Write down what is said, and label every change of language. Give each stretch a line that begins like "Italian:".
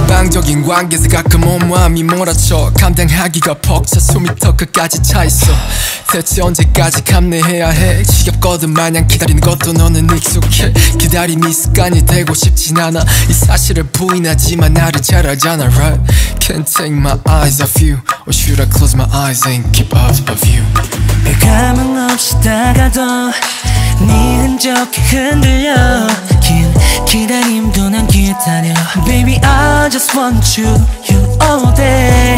Korean: 적인 관계에서 가끔 온 마음이 몰아쳐 감당하기가 벅차 숨이 턱끝까지 차있어 대체 언제까지 감내해야 해 지겹거든 마냥 기다리는 것도 너는 익숙해 기다림이 습관이 되고 싶진 않아 이 사실을 부인하지만 나를 잘 알잖아 right?
English: Can't take my eyes off you Or should I close my eyes and keep out of you
Korean: 별 감흥 없이 다가도 네 흔적이 흔들려 긴 기다림도 난 기다려
English: Baby I just want you You all day